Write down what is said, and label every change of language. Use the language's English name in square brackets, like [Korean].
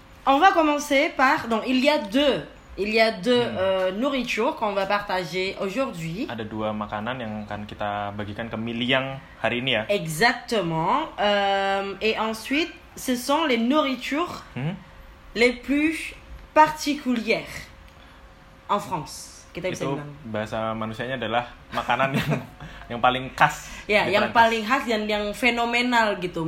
[French] On va commencer par donc il y a deux nourritures qu'on va partager aujourd'hui. [Indonesian] Ada dua makanan yang akan kita bagikan ke Miliang hari ini ya. [French] Exactement. Et ensuite, ce sont les nourritures les plus particulières en France. [Indonesian] Kita bisa bilang. Itu bahasa manusianya adalah makanan yang paling khas. Ya, yang paling khas dan yang fenomenal gitu.